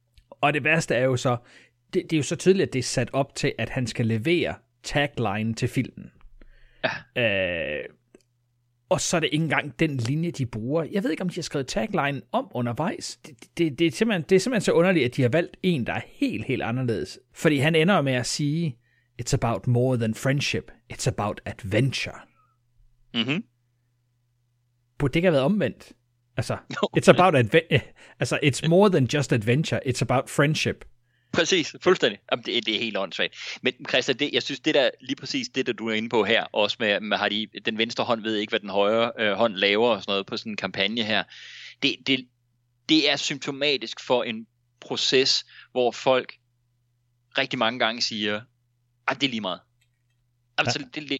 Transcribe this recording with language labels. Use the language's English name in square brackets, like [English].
[Danish] Og det værste er jo så, det er jo så tydeligt, at det er sat op til, at han skal levere tagline til filmen. Ja. Og så er det ikke engang den linje, de bruger. Jeg ved ikke, om de har skrevet tagline om undervejs. Det er simpelthen så underligt, at de har valgt en, der er helt, helt anderledes. Fordi han ender med at sige, [English] it's about more than friendship. It's about adventure. Mm-hmm. [Danish] Burde det ikke have været omvendt? Altså, [English] it's about it's more than just adventure. It's about friendship. [Danish] Præcis, fuldstændig. Jamen, det er helt åndssvagt. Men Christian, jeg synes, det der lige præcis det, der du er inde på her, også med har de, den venstre hånd ved ikke, hvad den højre hånd laver og sådan noget på sådan en kampagne her, det er symptomatisk for en proces, hvor folk rigtig mange gange siger, at det er lige meget. Jamen, ja.